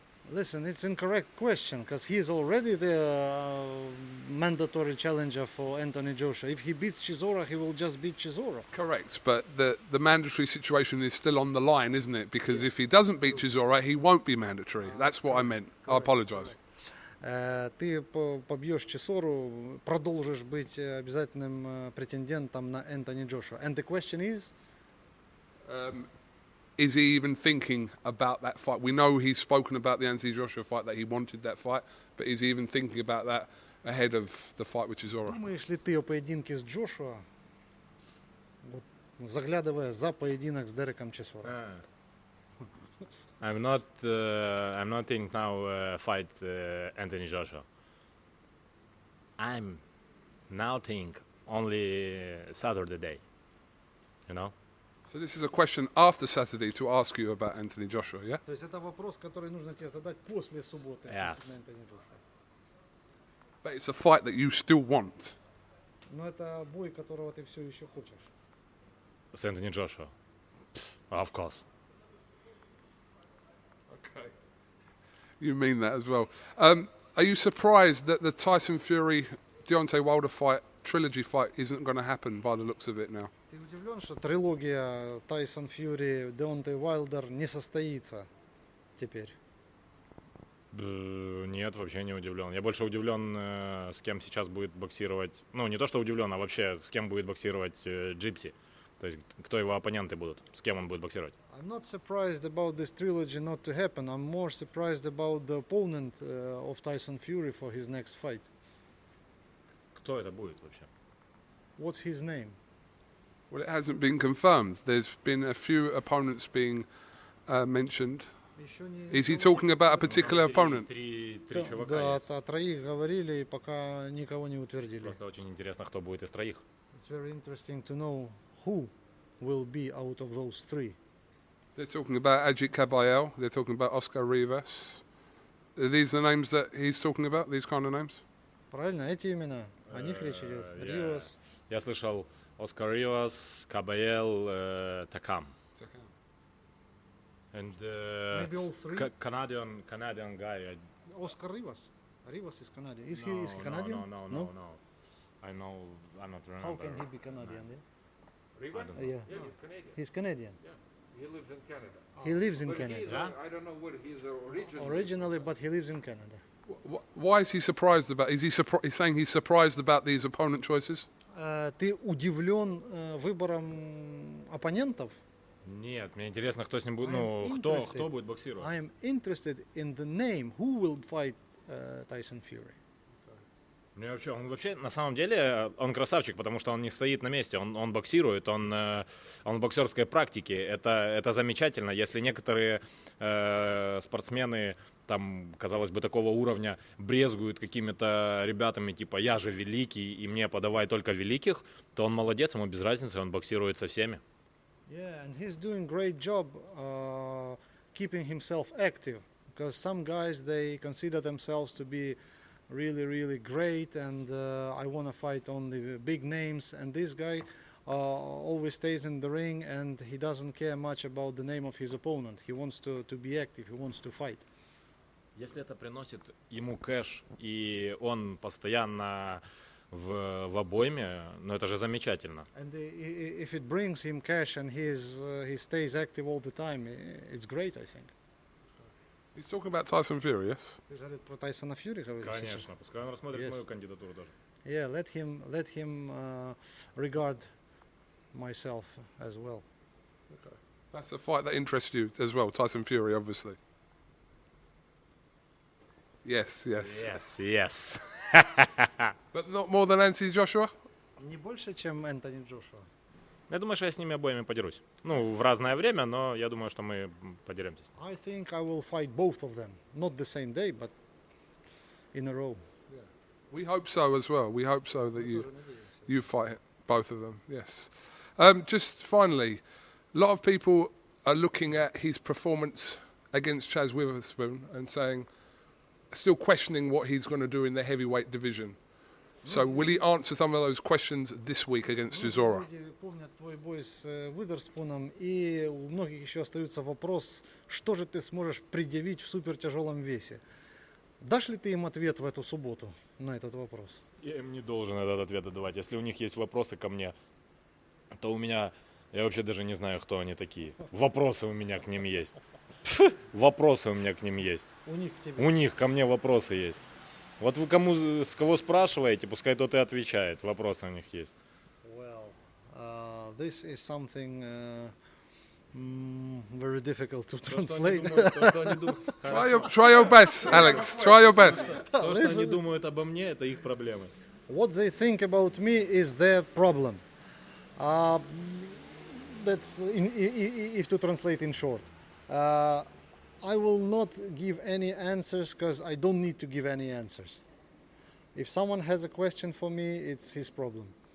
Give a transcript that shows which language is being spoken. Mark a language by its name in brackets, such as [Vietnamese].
[English] Listen, it's an incorrect question because he's already the mandatory challenger for Anthony Joshua. If he beats Chisora, he will just beat Chisora. Correct, but the mandatory situation is still on the line, isn't it? Because yeah. If he doesn't beat Chisora, he won't be mandatory. That's what I meant. Correct. I apologize. [Russian] Ты побьешь Чесору, продолжишь быть обязательным претендентом на Энтони Джошуа. [English] And the question is? Is he even thinking about that fight? We know he's spoken about the Anthony Joshua fight, that he wanted that fight, but is he even thinking about that ahead of the fight with Чесора? [Russian] Думаешь ли ты о поединке с Джошуа, вот, заглядывая за поединок с Дереком Чесором? [English] I'm not thinking now fight Anthony Joshua. I'm now think only Saturday day, you know? So this is a question after Saturday to ask you about Anthony Joshua, yeah? [Russian] То есть это вопрос, который нужно тебе задать после субботы. [English] Yes. But it's a fight that you still want. [Russian] Но это бой, которого ты все еще хочешь. [English] С Anthony Joshua. Of course. You mean that as well. Are you surprised that the Tyson Fury Deontay Wilder fight trilogy fight isn't going to happen by the looks of it now? [Russian] Ты удивлен, что трилогия Tyson Fury Deontay Wilder не состоится теперь? Нет, вообще не удивлен. Я больше удивлен, с кем сейчас будет боксировать. Ну, не то что удивлен, а вообще с кем будет боксировать Джипси. То есть кто его оппоненты будут, с кем он будет боксировать? [English] I'm not surprised about this trilogy not to happen. I'm more surprised about the opponent of Tyson Fury for his next fight. [Russian] Кто это будет вообще? [English] What's his name? Well, it hasn't been confirmed. There's been a few opponents being mentioned. Is he talking about a particular opponent? [Russian] Да, о троих говорили, пока никого не утвердили. Просто очень интересно, кто будет из троих. [English] It's very interesting to know who will be out of those three. They're talking about Ajit Kabayel, they're talking about Oscar Rivas. Are these the names that he's talking about, these kind of names? [Russian] Правильно, эти имена, о них речь идет. [English] Rivas. [Russian] Я слышал Oscar Rivas, Kabayel, Takam. [English] And maybe all three? Canadian guy. Oscar Rivas? Rivas is Canadian. Is he Canadian? No. I'm not remember. How can he be Canadian? No. Yeah? Rivas? Yeah, no. He's Canadian. He's Canadian? Yeah. He lives in Canada. He lives in Canada. I don't know where he's originally. Originally, but he lives in Canada. Why is he surprised about? Is he saying he's surprised about these opponent choices? [Russian] Ты удивлен выбором оппонентов? Нет, мне интересно, кто с ним будет. Ну, кто будет боксировать? [English] I am interested in the name. Who will fight Tyson Fury? [Russian] Мне вообще, он вообще, на самом деле, он красавчик, потому что он не стоит на месте, он боксирует, он в боксерской практике, это замечательно. Если некоторые спортсмены, там, казалось бы, такого уровня, брезгуют какими-то ребятами, типа, я же великий, и мне подавай только великих, то он молодец, ему без разницы, он боксирует со всеми. [English] Yeah, and he's doing great job keeping himself active, because some guys, they consider themselves to be really, really great, and I want to fight on the big names. And this guy always stays in the ring, and he doesn't care much about the name of his opponent. He wants to be active, he wants to fight. [Russian] Если это приносит ему кэш, и он постоянно в обойме, ну это же замечательно. [English] And if it brings him cash and he stays active all the time, it's great, I think. He's talking about Tyson Fury, yes? [Russian] Ты же про Тайсона Фьюри говоришь? Конечно, пускай он рассмотрит мою кандидатуру даже. [English] Yeah, let him regard myself as well. Okay. That's a fight that interests you as well, Tyson Fury, obviously. Yes, yes. Yes, yes. But not more than Anthony Joshua? [Russian] Не больше, чем Энтони Джошуа. Я думаю, что я с ними обоими подерусь. Ну, в разное время, но я думаю, что мы подеремся. [English] I think I will fight both of them. Not the same day, but in a row. Yeah. We hope so as well. We hope so that you fight both of them. Yes. Just finally, a lot of people are looking at his performance against Chaz Witherspoon and saying, still questioning what he's going to do in the heavyweight division. So will he answer some of those questions this week against Chisora? [Russian] Помнят твой бой с Уитерспуном, и у многих еще остается вопрос, что же ты сможешь предъявить в супертяжелом весе. Дашь ли ты им ответ в эту субботу на этот вопрос? Я им не должен этот ответ отдавать. Если у них есть вопросы ко мне, то у меня... Я вообще даже не знаю, кто они такие. Вопросы у меня к ним есть. Вопросы у меня к ним есть. У них к тебе. У них ко мне вопросы есть. Вот вы кому с кого спрашиваете, пускай тот и отвечает. Вопросы у них есть. [English] Well, this is something very difficult to translate. Try your best, Alex. Try your best. [Russian] То, что они думают обо мне, это их проблемы. [English] What they think about me is their problem. That's if to translate in short. I will not give any answers because I don't need to give any answers. If someone has a question for me, it's his problem.